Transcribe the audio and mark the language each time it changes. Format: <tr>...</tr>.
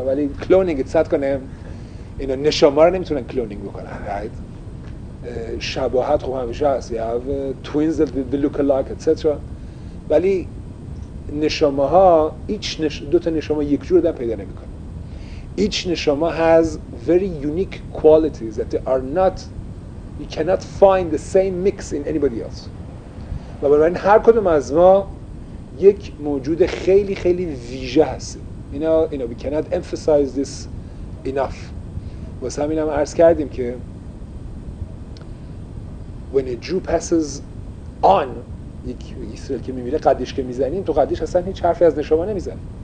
<fa>ولی cloning اتصاد کنم، اینا نشما رو نمیتونن cloning بکنن،</fa> <en>right?</en> <fa>شباهت خوب همیشه هست.</fa> <en>You have twins that they look alike, etc.</en> <fa>ولی نشماها هیچ دو تا نشما یک جور دارن پیدا نمیکنن.</fa> <en>Each nishama has very unique qualities that they are not, you cannot find the same mix in anybody else.</en> <fa>و برای این هر کدوم از ما یک موجود خیلی خیلی ویژه هست.</fa> <en>You know, we cannot emphasize this enough.</en> <fa>واسه همین هم عرض کردیم که</fa> <en>when a Jew passes on</en> <fa>یک اسرائیل که میمیره قدیش که میزنیم، تو قدیش اصلا هیچ حرفی از نشما نمیزنیم.</fa>